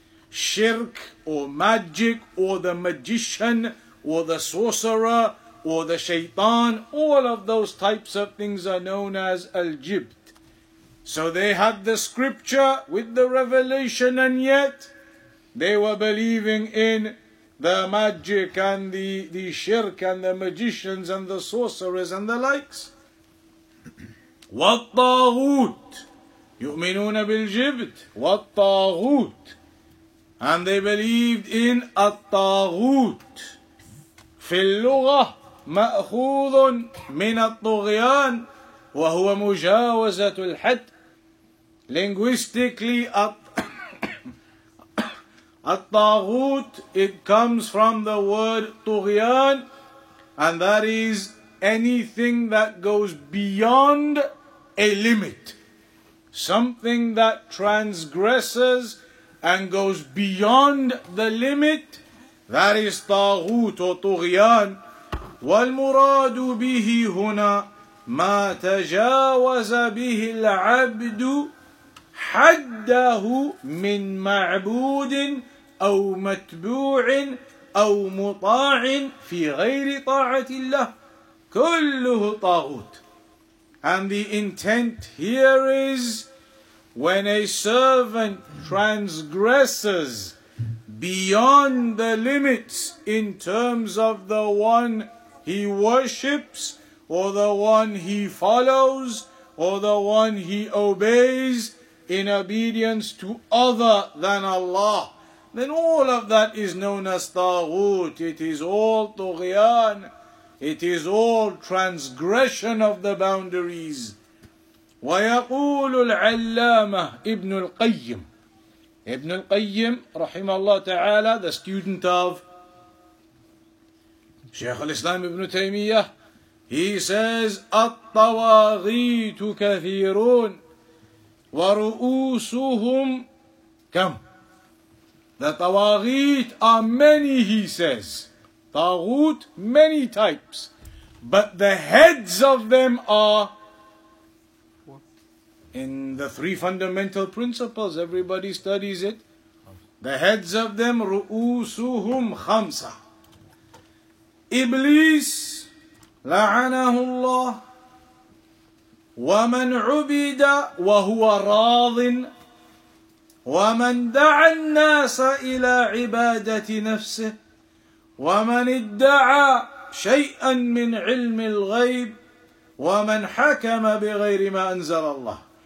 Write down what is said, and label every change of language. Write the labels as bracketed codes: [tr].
[en] Shirk or magic or the magician or the sorcerer or the shaitan, all of those types of things are known as al-jibt. So they had the scripture with the revelation and yet they were believing in the magic and the shirk and the magicians and the sorcerers and the likes. [ar] والطاغوت يؤمنون بالجبت والطاغوت. [en] And they believed in الطاغوت. [ar] في اللغة مأخوذ من الطغيان وهو مجاوزة الحد. [en] Linguistically, الطاغوت, it comes from the word طغيان, and that is anything that goes beyond a limit. Something that transgresses and goes beyond the limit, that is طاغوت or طغيان. [ar] والمراد به هنا ما تجاوز به العبد حده من معبود أو متبوع أو مطاع في غير طاعة الله كله طاغوت. [en] And the intent here is when a servant transgresses beyond the limits in terms of the one he worships or the one he follows or the one he obeys in obedience to other than Allah, then all of that is known as taghut. It is all tughyan. It is all transgression of the boundaries. [ar] ويقول العلامة ابن القيم, ابن القيم رحمه الله تعالى, [en] the student of [ar] شيخ الإسلام ابن تيمية, [en] he says [ar] الطواغيت كثيرون ورؤوسهم كم. [en] The طواغيت are many, he says. طاغوت, many types, but the heads of them are in the three fundamental principles, everybody studies it. The heads of them, [ar] رؤوسهم خمسة. إبليس لعنه الله ومن عبد وهو راض ومن دعا الناس إلى عبادة نفسه ومن ادعى شيئا من علم الغيب ومن حكم بغير ما أنزل الله.